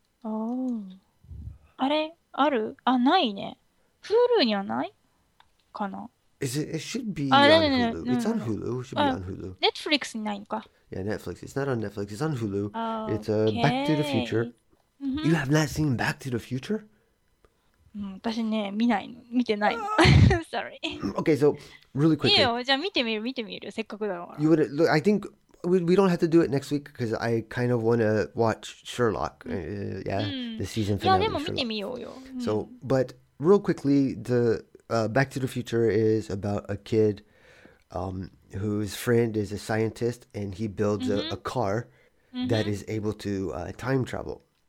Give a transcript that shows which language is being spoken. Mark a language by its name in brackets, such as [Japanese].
[Japanese] Oh. あれ、ある？あ、ないね。 Hulu にはないかな? [English] It should be on Hulu. It should be on Hulu. [Japanese] Netflix にないのか? [English] Yeah, Netflix. It's not on Netflix. It's on Hulu. Okay. It's Back to the Future. You have not seen Back to the Future? [Japanese] 私ね、見ないの。見てないの。 [English] Sorry. Okay, so really quickly. [Japanese] いいよ、じゃあ見てみる。 [English] You would look, I think we don't have to do it next week because I kind of want to watch Sherlock. The season finale. Yeah, [Japanese] でも見てみようよ. [English] So, but real quickly, the Back to the Future is about a kid whose friend is a scientist and he builds a car that is able to time travel.